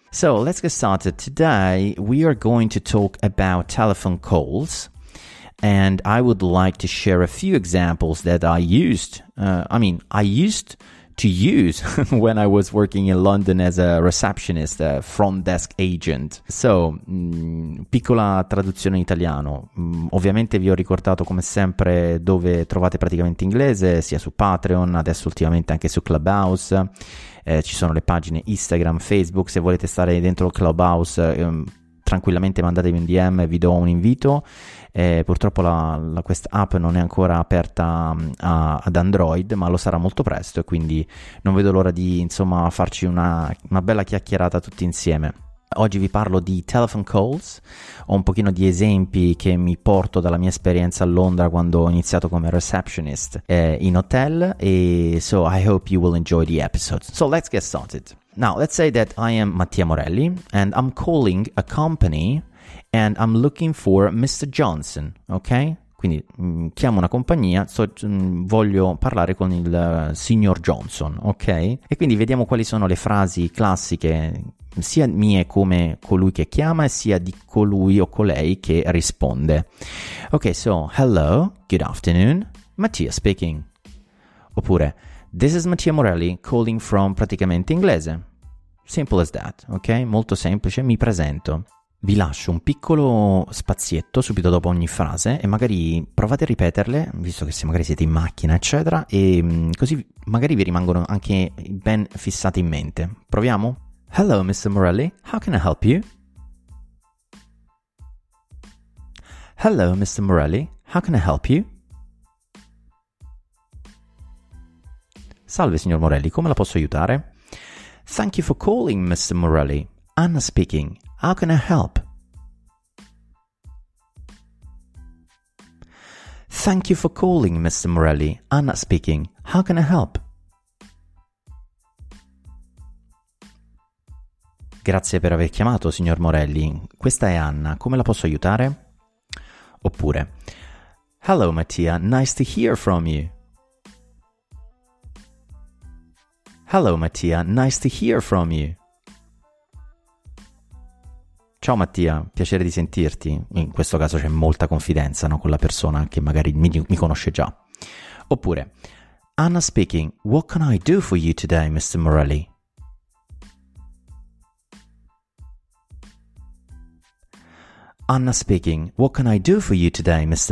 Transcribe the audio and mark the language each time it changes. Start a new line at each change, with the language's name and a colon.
English: So let's get started. Today we are going to talk about telephone calls, and I would like to share a few examples that I used. I used to use when I was working in London as a receptionist, a front desk agent.
Italian: So, piccola traduzione in italiano. Ovviamente vi ho ricordato come sempre dove trovate Praticamente Inglese, sia su Patreon, adesso ultimamente anche su Clubhouse. Ci sono le pagine Instagram, Facebook. Se volete stare dentro il Clubhouse, tranquillamente mandatevi un DM e vi do un invito. Purtroppo la quest app non è ancora aperta ad Android, ma lo sarà molto presto, e quindi non vedo l'ora di, insomma, farci una bella chiacchierata tutti insieme. Oggi vi parlo di telephone calls, ho un pochino di esempi che mi porto dalla mia esperienza a Londra quando ho iniziato come receptionist in hotel, e
English: so I hope you will enjoy the episode. So let's get started. Now let's say that I am Mattia Morelli and I'm calling a company and I'm looking for Mr. Johnson, ok?
Italian: Quindi chiamo una compagnia, voglio parlare con il signor Johnson, ok? E quindi vediamo quali sono le frasi classiche, sia mie come colui che chiama, sia di colui o colei che risponde.
English: Ok, so, hello, good afternoon, Mattia speaking. Oppure, this is Mattia Morelli calling from Praticamente Inglese. Simple as that, ok?
Italian: Molto semplice, mi presento. Vi lascio un piccolo spazietto subito dopo ogni frase e magari provate a ripeterle, visto che se magari siete in macchina, eccetera, e così magari vi rimangono anche ben fissate in mente.
English: Proviamo? Hello, Mr. Morelli. How can I help you? Hello, Mr. Morelli. How can I help you?
Italian: Salve, signor Morelli. Come la posso aiutare?
English: Thank you for calling, Mr. Morelli. Anna speaking. How can I help? Thank you for calling, Mr. Morelli. Anna speaking. How can I help?
Italian: Grazie per aver chiamato, signor Morelli. Questa è Anna. Come la posso aiutare?
English: Oppure, hello, Mattia. Nice to hear from you. Hello, Mattia. Nice to hear from you.
Italian: Ciao Mattia, piacere di sentirti. In questo caso c'è molta confidenza, no, con la persona che magari mi conosce già.
English: Oppure, Anna speaking, what can I do for you today, Mr. Morelli? Anna speaking, what can I do for you today, Mr.